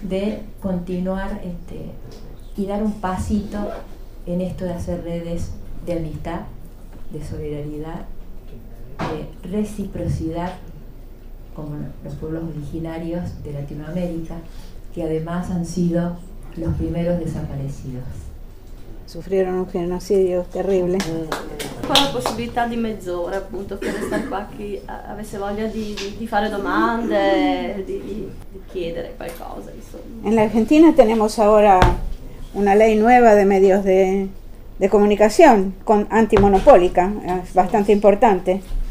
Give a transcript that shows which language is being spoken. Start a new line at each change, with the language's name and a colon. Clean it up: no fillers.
Spanish: De continuar y dar un pasito en esto de hacer redes de amistad, de solidaridad, de reciprocidad, como los pueblos originarios de Latinoamérica, que además han sido los primeros desaparecidos. Sufrieron un genocidio terrible.
Italian: qua la possibilità di mezz'ora, appunto, per restare qua, chi avesse voglia di fare domande, di chiedere qualcosa, insomma.
Spanish: En la Argentina tenemos ahora una ley nueva de medios de comunicación con antimonopólica, es bastante importante.